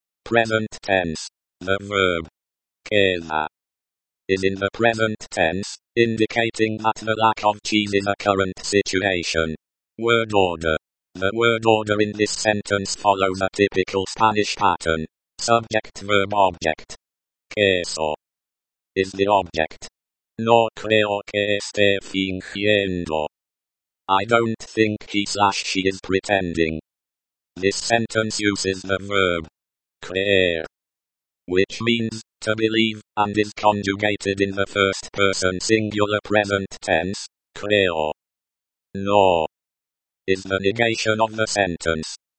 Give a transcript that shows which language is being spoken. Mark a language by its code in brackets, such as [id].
[en] Present tense. The verb queda is in the present tense, indicating that the lack of cheese is a current situation. Word order. The word order in this sentence follows a typical Spanish pattern. Subject verb object. Queso is the object. [es] No creo que esté fingiendo. [en] I don't think he slash she is pretending. This sentence uses the verb creer, which means to believe, and is conjugated in the first person singular present tense, creo. No is the negation of the sentence.